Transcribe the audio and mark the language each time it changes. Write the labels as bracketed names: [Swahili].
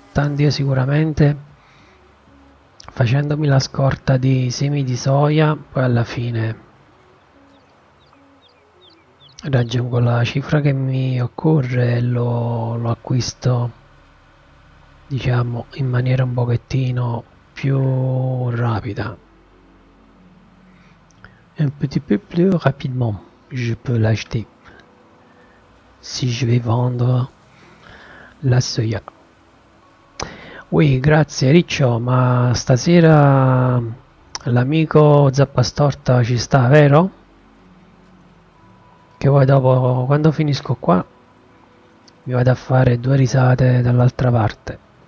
[Italian] Tanto io sicuramente facendomi la scorta di semi di soia, poi alla fine raggiungo la cifra che mi occorre e lo acquisto, diciamo, in maniera un pochettino più rapida. [French] Un petit peu plus rapidement, je peux l'acheter. [Italian] Si sì, deve vendere la soia. Ui, grazie Riccio, ma stasera l'amico Zappa Storta ci sta, vero? Che poi dopo, quando finisco qua, mi vado a fare due risate dall'altra parte.